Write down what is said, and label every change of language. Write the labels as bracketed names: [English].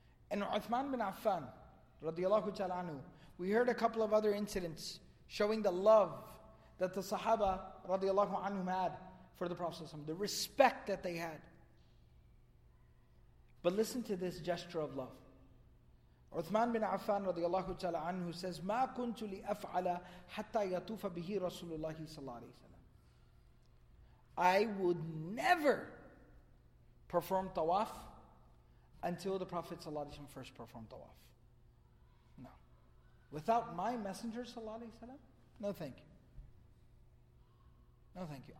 [English] And Uthman bin Affan, radiallahu ta'ala anhu, we heard a couple of other incidents showing the love that the Sahaba, radiallahu anhum, had for the Prophet, the respect that they had. But listen to this gesture of love. Uthman bin Affan radiallahu ta'ala anhu says, [Arabic] مَا كُنْتُ لِأَفْعَلَ حَتَّى يَطُوفَ بِهِ رَسُولُ اللَّهِ صَلَّى اللَّهِ عَلَيْهِ وَسَلَّمَ. [English] I would never perform tawaf until the Prophet sallallahu alayhi wa sallam first performed tawaf. No. Without my messenger sallallahu alayhi wa sallam? No thank you. No thank you.